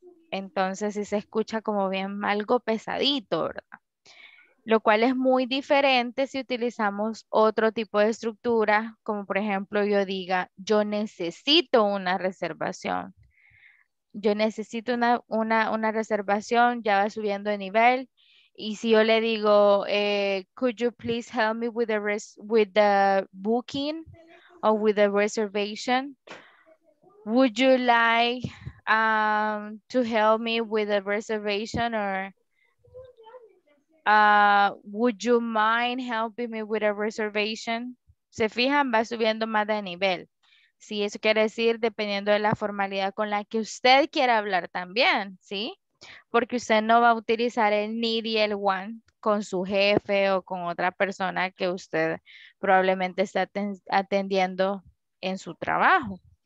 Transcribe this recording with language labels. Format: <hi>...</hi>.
<es>Entonces sí se escucha como bien algo pesadito, ¿verdad? Lo cual es muy diferente si utilizamos otro tipo de estructura, como por ejemplo yo diga, yo necesito una reservación. Yo necesito una reservación, ya va subiendo de nivel.</es> <en>Y si yo le digo, could you please help me with the booking or with the reservation? Would you like to help me with a reservation or... would you mind helping me with a reservation?</en> <es>Se fijan, va subiendo más de nivel. Sí, eso quiere decir dependiendo de la formalidad con la que usted quiera hablar también, ¿sí? Porque usted no va a utilizar el need y el want con su jefe o con otra persona que usted probablemente está atendiendo en su trabajo.</es>